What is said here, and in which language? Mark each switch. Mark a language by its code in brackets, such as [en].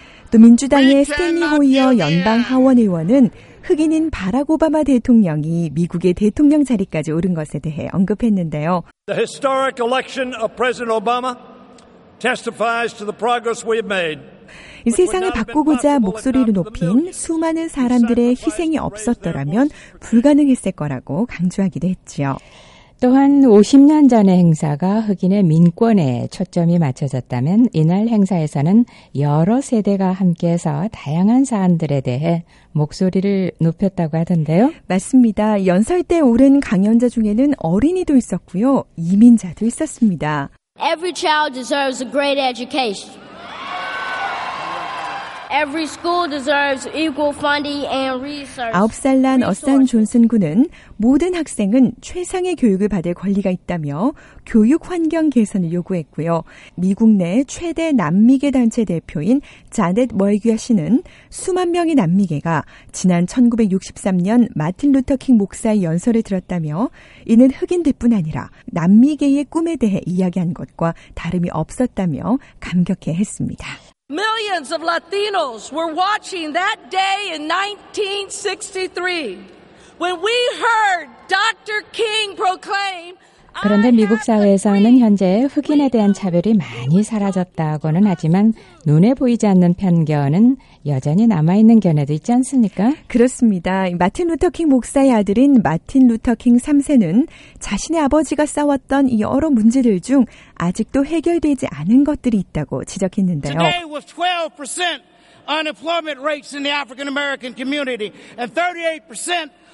[ko] 또 민주당의 스탠리 호이어 연방 하원 의원은 흑인인 바락 오바마 대통령이 미국의 대통령 자리까지 오른 것에 대해 언급했는데요. [en] The historic election of President Obama testifies to the progress we have made. [ko] 이 세상을 바꾸고자 목소리를 높인 수많은 사람들의 희생이 없었더라면 불가능했을 거라고 강조하기도 했지요. 또한 50년 전의 행사가 흑인의 민권에 초점이 맞춰졌다면 이날 행사에서는 여러 세대가 함께해서 다양한 사안들에 대해 목소리를 높였다고 하던데요. 맞습니다. 연설 때 오른 강연자 중에는 어린이도 있었고요. 이민자도 있었습니다. [en] Every child deserves a great education. Every school deserves equal funding and resources. [ko] 아홉 살 난 어산 존슨 군은 모든 학생은 최상의 교육을 받을 권리가 있다며 교육 환경 개선을 요구했고요. 미국 내 최대 남미계 단체 대표인 자넷 월규아 씨는 수만 명의 남미계가 지난 1963년 마틴 루터 킹 목사의 연설을 들었다며 이는 흑인들뿐 아니라 남미계의 꿈에 대해 이야기한 것과 다름이 없었다며 감격해 했습니다. [en] Millions of Latinos were watching that day in 1963 when we heard Dr. King proclaim. [ko] 그런데 미국 사회에서는 현재 흑인에 대한 차별이 많이 사라졌다고는 하지만 눈에 보이지 않는 편견은 여전히 남아있는 견해도 있지 않습니까? 그렇습니다. 마틴 루터킹 목사의 아들인 마틴 루터킹 3세는 자신의 아버지가 싸웠던 여러 문제들 중 아직도 해결되지 않은 것들이 있다고 지적했는데요. [en] Today was 12% unemployment rates in the African-American community and 38%